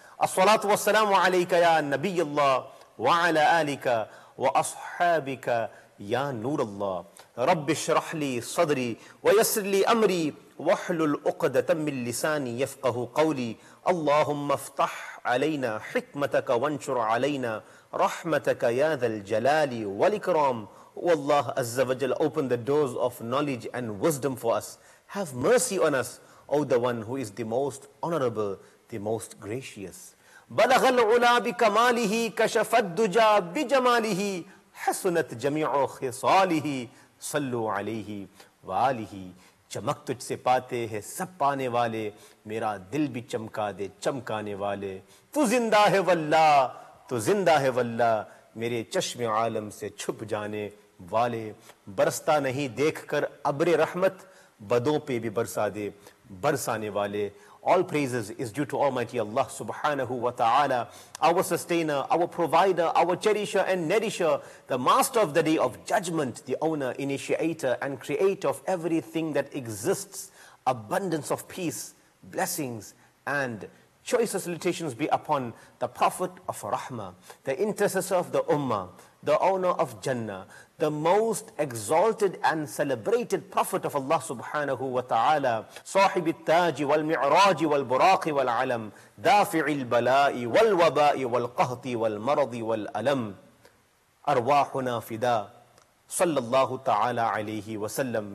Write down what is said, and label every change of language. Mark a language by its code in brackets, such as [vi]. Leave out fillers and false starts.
[ar] الصلاة والسلام عليك يا نبي الله وعلى آلك وأصحابك يا نور الله رب اشرح لي صدري ويسر لي أمري واحلل عقدة من لساني يفقه قولي اللهم افتح علينا حكمتك وانشر علينا رحمتك يا ذا الجلال والإكرام والله عز وجل [en] open the doors of knowledge and wisdom for us. Have mercy on us, O the one who is the most honorable, the most gracious. [ar] بلغ العلا بكماله كشف الدجا بجماله حسنت جميع خصاله صلوا عليه وآله. [ur] چمک تجھ سے پاتے ہیں سب پانے والے میرا دل بھی چمکا دے چمکانے والے تو زندہ ہے واللہ تو زندہ ہے واللہ میرے چشم عالم سے چھپ جانے والے برستا نہیں دیکھ کر ابر رحمت بدوں پہ بھی برسا دے برسانے والے. [en] All praises is due to Almighty Allah subhanahu wa ta'ala, our sustainer, our provider, our cherisher and nourisher, the master of the day of judgment, the owner, initiator and creator of everything that exists. Abundance of peace, blessings and choicest salutations be upon the Prophet of Rahmah, the intercessor of the Ummah, the owner of Jannah, the most exalted and celebrated Prophet of Allah subhanahu wa ta'ala, Sahib al-Taj wal-Mi'raj wal-Buraq wal-Alam, Dafi' al-Bala'i wal-Waba'i wal-Qahti wal-Maradi wal-Alam, Arwahuna Fida, Sallallahu ta'ala alayhi wa sallam.